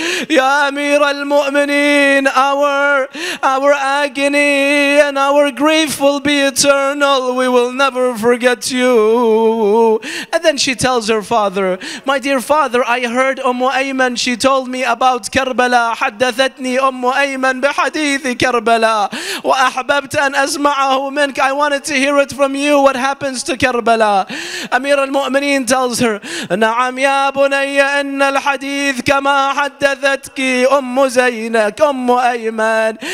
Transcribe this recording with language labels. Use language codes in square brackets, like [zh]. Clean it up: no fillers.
[ar] يا أمير المؤمنين, [en] our agony and our grief will be eternal. We will never forget you. And then she tells her father, my dear father, I heard Umm Ayman, she told me about Karbala. [ar] حدثتني أم أيمن بحديث كربلاء وأحببت أن أسمعه منك. [en] I wanted to hear it from you, what happens to Karbala. Amir al-Mu'mineen tells her, [ar] نعم يا بني أن الحديث كما حدثتك أم زينك أم أيمن.